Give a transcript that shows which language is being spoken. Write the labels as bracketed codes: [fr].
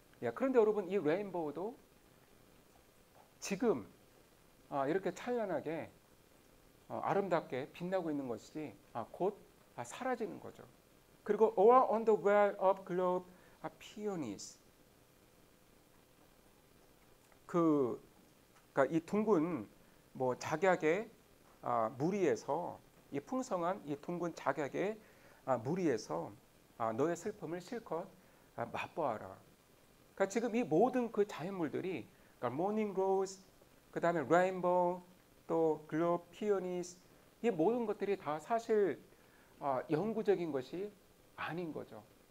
[ko] 예, 그런데 여러분, 이 레인보우도 지금 이렇게 찬란하게 아름답게 빛나고 있는 것이지 곧 사라지는 거죠. [en] 그리고 Or on the well of globe peonies. [ko] 그러니까 이 둥근 뭐 작약의 무리에서 이 풍성한 이 둥근 작약의 무리에서 너의 슬픔을 실컷 맛보아라. 그러니까 지금 이 모든 그 자연물들이 그러니까 morning rose, 그 다음에 rainbow, 또 globe peonies, 이 모든 것들이 다 사실 영구적인 것이 아닌 거죠.